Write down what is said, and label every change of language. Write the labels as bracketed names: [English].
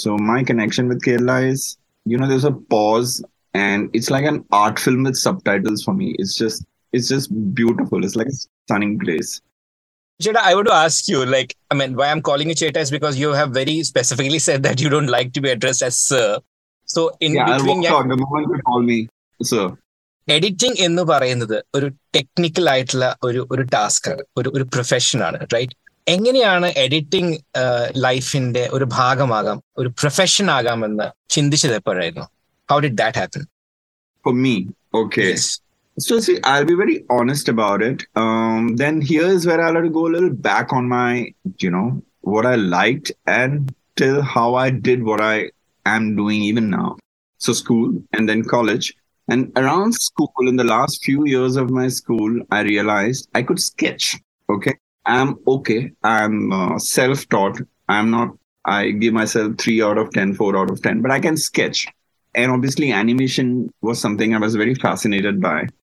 [English] So my connection with Kerala is, you know, there's a pause and it's like an art film with subtitles for me. It's just beautiful. It's like a stunning place. Cheta, I want to ask you, like, I mean, why I'm calling you Cheta is because you have very specifically said that you don't like to be addressed as sir. So in between... Yeah, the moment you call me sir. [Malayalam] Editing എന്ന് പറയുന്നത് ഒരു technical ആയിട്ടുള്ള ഒരു ഒരു ടാസ്ക്കാണ്, ഒരു ഒരു പ്രൊഫഷനാണ്, right? എങ്ങനെയാണ് editing ലൈഫിന്റെ ഒരു ഭാഗമാകാം, ഒരു പ്രൊഫഷൻ ആകാമെന്ന് ചിന്തിച്ചത് എപ്പോഴായിരുന്നു? [English] How did that happen for me? Okay, so see, I will be very honest about it. Then here is where I had to go a little back on my, you know, what I liked and till how I did what I am doing even now. So school and then college. And around school, in the last few years of my school, I realized I could sketch. Okay. I'm okay. I'm self-taught. I give myself 3 out of 10, 4 out of 10, but I can sketch. And obviously animation was something I was very fascinated by.